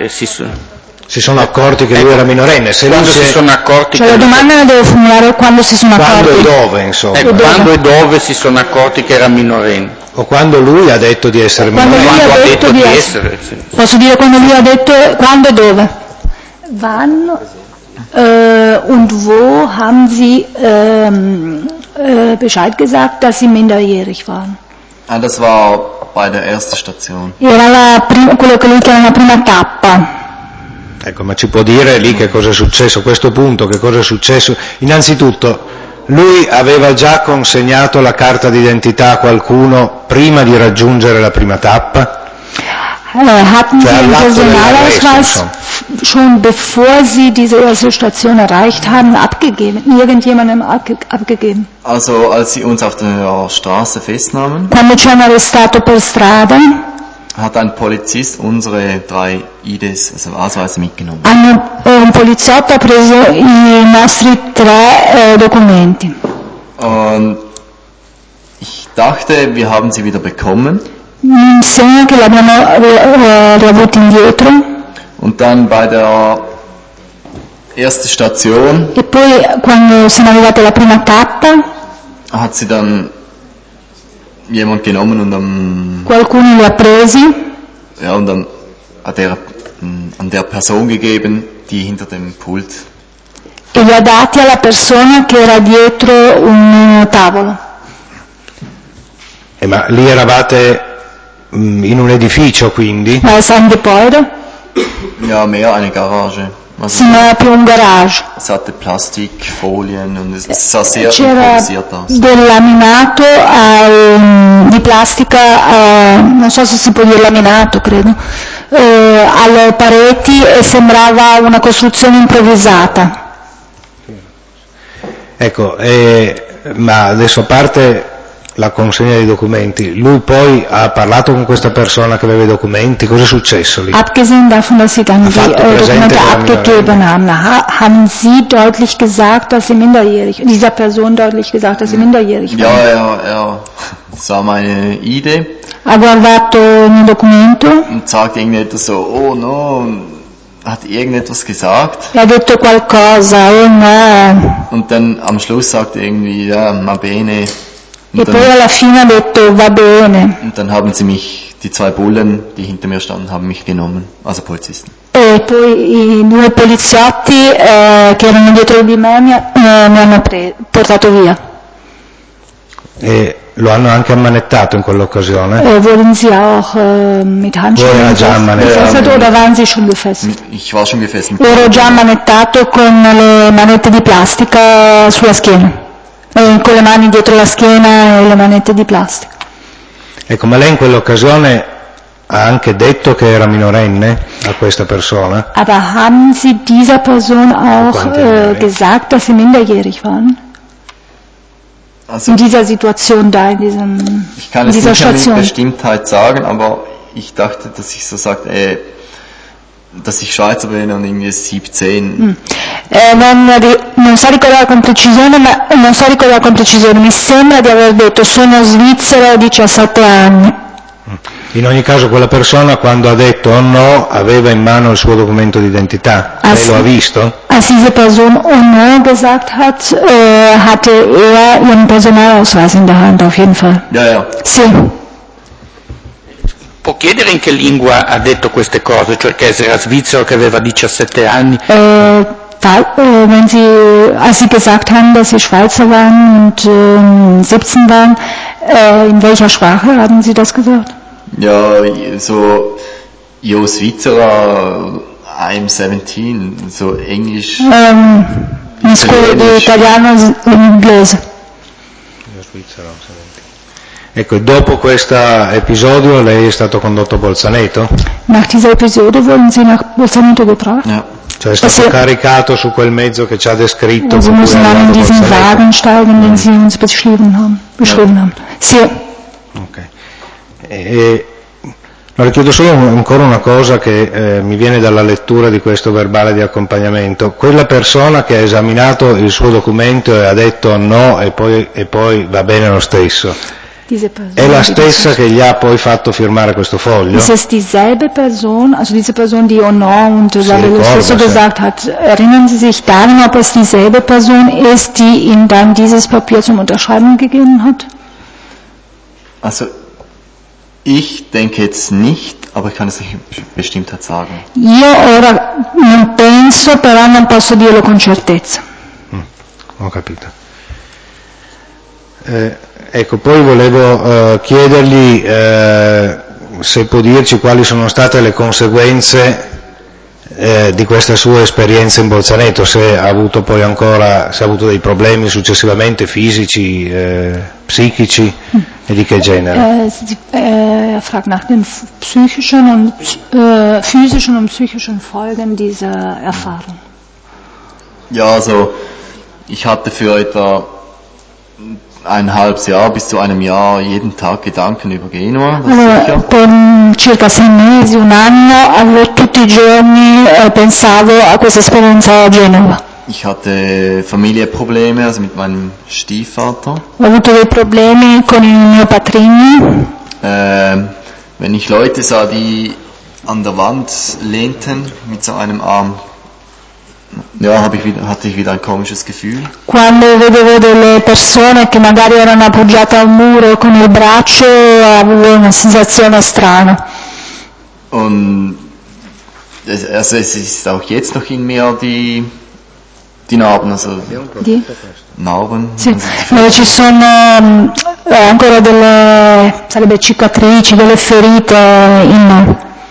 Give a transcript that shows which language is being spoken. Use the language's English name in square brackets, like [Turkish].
[Italian] si sono accorti che lui era minorenne, se quando si sono accorti, cioè la domanda la devo formulare quando si sono accorti, quando e dove, insomma, quando e dove si sono accorti che era minorenne, o quando lui ha detto di essere quando minorenne, quando ha detto di essere, sì. Posso dire quando lui ha detto, quando e dove [German] wann und wo haben sie Bescheid gesagt, dass sie minderjährig waren? Ah, das war bei der ersten Station. [Italian] Era la prima, quello che lui chiama la prima tappa. Ecco, ma ci può dire lì che cosa è successo a questo punto, che cosa è successo? Innanzitutto, lui aveva già consegnato la carta d'identità a qualcuno prima di raggiungere la prima tappa? [German] Hatten Sie den Personalausweis schon bevor Sie diese erste Station erreicht haben abgegeben, irgendjemandem abgegeben? Also, als Sie uns auf der Straße festnahmen? [Italian] Quando ci hanno arrestato per strada? [German] Hat ein Polizist unsere 3 IDs, also Ausweise, mitgenommen. [Italian] Un poliziotto ha preso i nostri 3 documenti. [German] Und ich dachte, wir haben sie wieder bekommen. [Italian] Segno che l'abbiamo riavuto indietro. [German] Und dann bei der ersten Station. [Italian] E poi quando sono arrivate alla prima tappa. [German] Hat sie dann jemand genommen und am [Italian] qualcuno li ha presi. [German] Ja, und dann hat er an der Person gegeben, die hinter dem Pult. [Italian] E li ha dati alla persona che era dietro un tavolo. E ma lì eravate in un edificio, quindi? Ma è San Depoido? [German] Ja, mehr eine Garage. [Italian] Sì, ma è più un garage. [German] Es hatte Plastik, Folien und es sah sehr [Italian] c'era [German] improvisiert aus. [Italian] Del laminato di plastica, non so se si può dire laminato, credo, alle pareti e sembrava una costruzione improvvisata. Ecco, ma adesso a parte la consegna dei documenti, lui poi ha parlato con questa persona che aveva i documenti, cosa è successo lì? [German] Abgesehen davon, dass sie dann [Italian] ha [German] die Dokumente abgegeben haben, haben sie deutlich gesagt, dass sie minderjährig, dieser Person deutlich gesagt, dass sie minderjährig ja, waren? Ja, er sah meine ID. [Italian] Ha guardato un documento. [German] Und sagte irgendetwas so, oh no, hat irgendetwas gesagt. [Italian] Ha detto qualcosa, oh no. [German] Und dann am Schluss sagte irgendwie, ja, [Italian] ma bene. E poi alla fine ha detto va bene. [German] Und dann haben sie mich, die 2 Bullen, die hinter mir standen, haben mich genommen, also Polizisten. [Italian] E poi i 2 poliziotti che erano dietro di me mi hanno portato via. E lo hanno anche ammanettato in quell'occasione. [German] E wurden sie auch mit Handschellen gefesselt oder waren sie schon gefesselt? Ich war schon gefesselt. [Italian] Ero già ammanettato con le manette di plastica sulla schiena. Con le mani dietro la schiena e le manette di plastica. Ecco, ma lei in quell'occasione ha anche detto che era minorenne a questa persona? [German] Aber haben Sie dieser Person auch gesagt, dass sie minderjährig waren? Also, in dieser Situation da, in diesem, ich kann in dieser es nicht Station. Mit Bestimmtheit sagen, aber ich dachte, dass ich so sagte, dass ich Schweizer bin und irgendwie 17. [Italian] Non so ricordare con precisione, mi sembra di aver detto sono svizzero, 17 anni. In ogni caso quella persona quando ha detto o no aveva in mano il suo documento d'identità, lei lo ha visto? [German] Als diese Person o no gesagt hat, hatte er ihren Personalausweis in der Hand, auf jeden Fall. Ja, ja. [Italian] Sì. Può chiedere in che lingua ha detto queste cose, cioè che era svizzero che aveva 17 anni? [German] Wenn Sie, als Sie gesagt haben, dass Sie Schweizer waren und 17 waren, in welcher Sprache haben Sie das gesagt? Ja, so [Italian] Io svizzero, [English] I'm 17, [German] so English. [Italian] In scuola di italiano e inglese. Io svizzero, 17. Ecco, dopo questo episodio lei è stato condotto a Bolzaneto? [German] Nach diesem Episode wurden Sie nach Bolzaneto gebracht. Ja. [Italian] Cioè è stato sie, caricato su quel mezzo che ci ha descritto. [German] Sie müssen dann in diesen Wagen steigen, den Sie uns beschrieben haben. [Italian] Sì. Ok. Ma le chiedo solo ancora una cosa che mi viene dalla lettura di questo verbale di accompagnamento. Quella persona che ha esaminato il suo documento e ha detto no e poi va bene lo stesso. È la stessa che gli ha poi fatto firmare questo foglio? [German] Es ist dieselbe Person, also diese Person, die oh no und [Italian] lo [German] stesso gesagt hat, erinnern Sie sich daran, ob es dieselbe Person ist, die ihm dann dieses Papier zum Unterschreiben gegeben hat? Also ich denke jetzt nicht, aber ich kann es nicht bestimmt sagen. [Italian] Io ora non penso, però non posso dirlo con certezza. Ho capito. Ecco, poi volevo chiedergli se può dirci quali sono state le conseguenze di questa sua esperienza in Bolzaneto, se ha avuto poi ancora, se ha avuto dei problemi successivamente fisici, psichici e di che genere? [German] Fragt nach den psychischen und physischen und psychischen Folgen dieser Erfahrung. Ja, also ich hatte für etwa ein halbes Jahr bis zu einem Jahr jeden Tag Gedanken über Genua. [Italian] Per circa sei mesi, un anno, tutti i giorni pensavo a questa esperienza a Genova. [German] Ich hatte Familienprobleme, also mit meinem Stiefvater. [Italian] Ho avuto dei problemi con il mio patrigno. [German] Wenn ich Leute sah, die an der Wand lehnten mit so einem Arm, ja, hatte ich wieder ein komisches Gefühl. [Italian] Quando vedevo delle persone che magari erano appoggiate al muro con il braccio, avevo una sensazione strana. [German] Und also es ist auch jetzt noch in mir die Narben, also die Narben. [Italian] Sì. Dove ci sono ancora delle, sarebbe cicatrici, delle ferite in me.